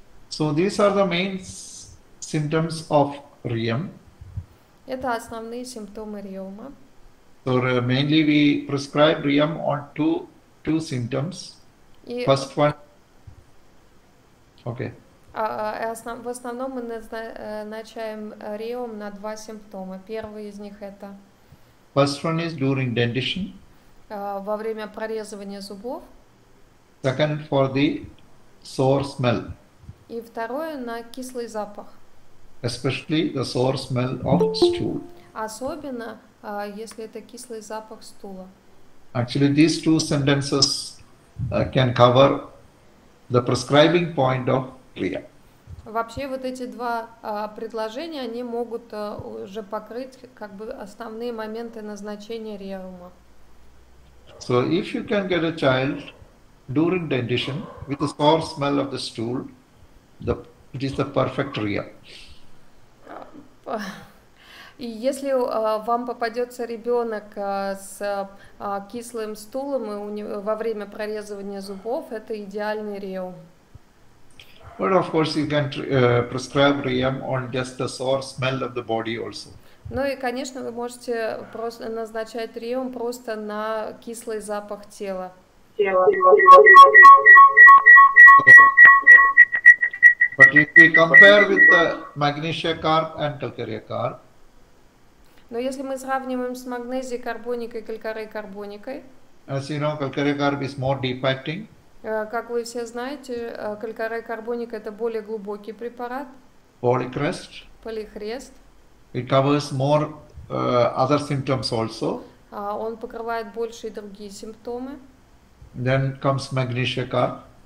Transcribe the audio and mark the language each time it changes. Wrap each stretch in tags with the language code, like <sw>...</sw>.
<en>So these are the main symptoms of Riyam.</en> <ru>Это основные симптомы Риама.</ru> <en>So mainly we prescribe Riyam on two symptoms.</en> <ru>И</ru> <en>first one. Okay.</en> <ru>В основном мы назначаем Риам на два симптома. Первый из них — это</ru> <en>first one is during dentition.</en> <ru>Во время прорезывания зубов.</ru> <en>Second for the sore smell.</en> <ru>И второе — на кислый запах.</ru> <en>Especially the sore smell of stool.</en> <ru>Особенно если это кислый запах стула.</ru> <en>Actually these two sentences can cover the prescribing point of care.</en> <ru>Вообще вот эти два предложения, они могут уже покрыть как бы основные моменты назначения реума.</ru> <en>So if you can get a child during dentition with a sour smell of the stool, it is the perfect rear.</en> <ru>И если вам попадется ребенок с кислым стулом и у него, во время прорезывания зубов, это идеальный реум.</ru> <en>But of course you can prescribe REM on just the sour smell of the body also.</en> <ru>Ну и, конечно, вы можете просто назначать реум просто на кислый запах тела.</ru> <en>But if we compare with the magnesia carb and calcarea carb.</en> <ru>Но если мы сравниваем с магнезией карбоникой и калькарей карбоникой.</ru> <en>As you know, calcarea carb is more deep acting.</en> <ru>Как вы все знаете, калькарей карбоника — это более глубокий препарат.</ru> <en>Polycrest.</en> <ru>Полихрест.</ru> <en>It covers more other symptoms also.</en> <ru>Он покрывает больше и другие симптомы.</ru> <en>Then comes magnesia carb.</en>